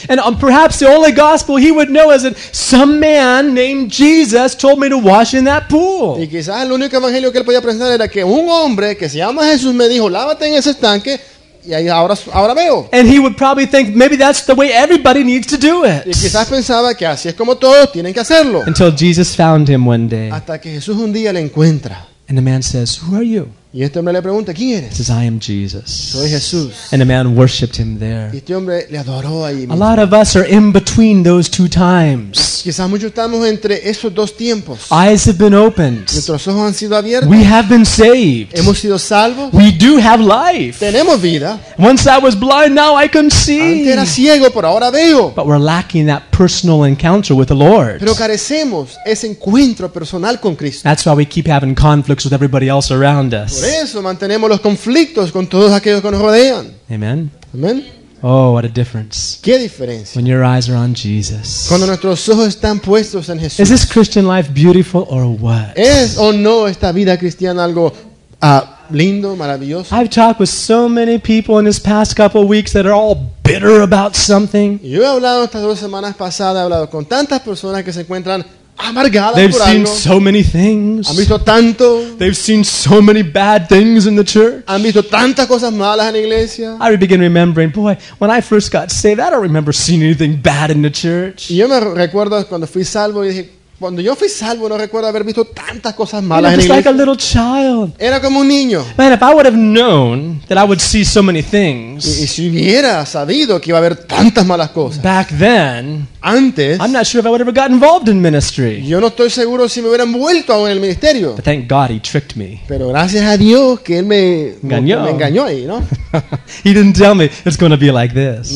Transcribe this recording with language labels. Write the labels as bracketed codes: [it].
[en] And perhaps the only gospel he would know is that some man named Jesus told me to wash in that pool. [es] Y quizás el único evangelio que él podía presentar era que un hombre que se llama Jesús me dijo, lávate en ese estanque. Y ahora veo. [en] And he would probably think maybe that's the way everybody needs to do it. [es] Y quizás pensaba que así es como todos tienen que hacerlo. [en] Until Jesus found him one day. [es] Hasta que Jesús un día le encuentra. [en] And the man says, "Who are you?" [es] Y este hombre le pregunta, "¿Quién eres?" [en] He says, "I am Jesus." [es] Soy Jesús. [en] And the man worshipped him there. [es] Y este hombre le adoró ahí mismo. [en] A lot of us are in between those two times. [es] Quizás muchos estamos entre esos dos tiempos. [en] Eyes have been opened. [es] Nuestros ojos han sido abiertos. [en] We have been saved. [es] Hemos sido salvos. [en] We do have life. [es] Tenemos vida. [en] Once I was blind, now I can see. [es] Antes era ciego, pero ahora veo. [en] But we're lacking that personal encounter with the Lord. [es] Pero carecemos ese encuentro personal con Cristo. [en] That's why we keep having conflicts with everybody else around us. [es] Por eso mantenemos los conflictos con todos aquellos que nos rodean. [en] Amen. [es] Amen. [en] Oh, what a difference. [es] ¿Qué diferencia? [en] When your eyes are on Jesus. [es] Cuando nuestros ojos están puestos en Jesús. [en] Is this Christian life beautiful or what? [es] ¿Es o no esta vida cristiana algo lindo, maravilloso? [en] I've talked with so many people in this past couple of weeks that are all bitter about something. [es] Yo he hablado estas dos semanas pasadas, he hablado con tantas personas que se encuentran amargadas. [en] They've [es] por [en] seen [es] algo. [en] So many things. [es] Han visto tanto. [en] They've seen so many bad things in the church. [es] Han visto tantas cosas malas en la iglesia. [en] I begin remembering, boy, when I first got saved, I don't remember seeing anything bad in the church. [es] Y yo me recuerdo cuando fui salvo y dije, cuando yo fui salvo, no recuerdo haber visto tantas cosas malas en la iglesia. [en] Like a little child. [es] Era como un niño. [en] Man, if I would have known that I would see so many things. [es] Y si hubiera sabido que iba a haber tantas malas cosas. [en] Back then. [es] Antes. [en] I'm not sure if I would ever got involved in ministry. [es] Yo no estoy seguro si me hubiera envuelto aún en el ministerio. [en] But thank God he tricked me. [es] Pero gracias a Dios que él me engañó. Me engañó ahí, ¿no? [en] He didn't tell me it's going to be like this.